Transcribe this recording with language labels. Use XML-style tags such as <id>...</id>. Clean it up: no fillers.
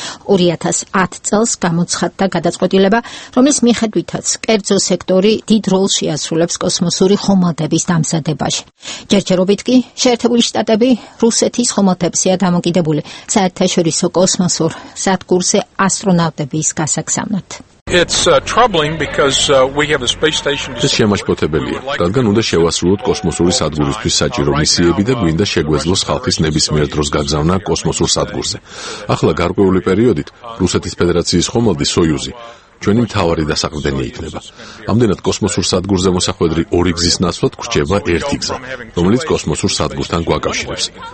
<ka>2010 წელს გამოცხადდა გადაწყვეტილება, რომლის მიხედვითაც კერძო სექტორი დიდ როლს შეასრულებს კოსმოსური ხომალდების დამზადებაში. ჯერჯერობით კი შეერთებული შტატები რუსეთის ხომალდებზეა დამოკიდებული საერთაშორისო კოსმოსურ სადგურზე ასტრონავტების გასაგზავნად.</ka> <en>It's troubling because we have a space station to</en> <ka>შემაშფოთებელია, რადგან უნდა შევასრულოთ კოსმოსური სადგურისთვის საჭირო მისიები და გვინდა შეგვეძლოს ხალხის ნებისმიერ დროს გაგზავნა კოსმოსურ სადგურზე. ახლა გარკვეული პერიოდით რუსეთის ფედერაციის ხომალდი სოიუზი ჩვენი მთავარი დასაყრდენი იქნება. ამდენად, კოსმოსურ სადგურზე მოსახვედრი ორი გზის ნაცვლად გრჩება ერთი გზა, რომელიც კოსმოსურ სადგურთან გვაკავშირებს.</ka>